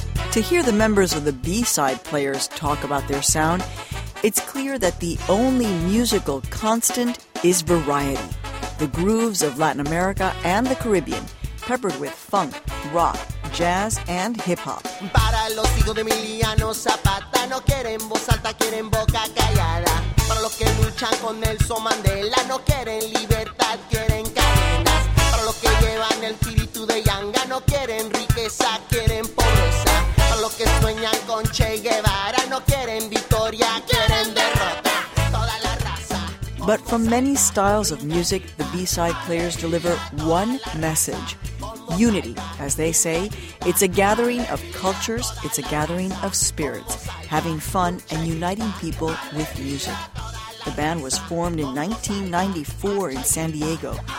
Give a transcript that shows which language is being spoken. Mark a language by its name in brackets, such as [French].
[English] To hear the members of the B-side players talk about their sound, it's clear that the only musical constant is variety. The grooves of Latin America and the Caribbean, peppered with funk, rock, jazz, and hip-hop. [Spanish] Para los hijos de Emiliano Zapata, no quieren voz alta, quieren boca callada. Para los que luchan con Nelson Mandela, no quieren libertad, quieren cadenas. Para los que llevan el espíritu de Yanga, no quieren riqueza, quieren pobreza. Los que sueñan con Che Guevara no quieren victoria, quieren derrota, toda la raza. [English] But from many styles of music, the B-side players deliver one message. Unity, as they say, it's a gathering of cultures, it's a gathering of spirits, having fun and uniting people with music. The band was formed in 1994 in San Diego.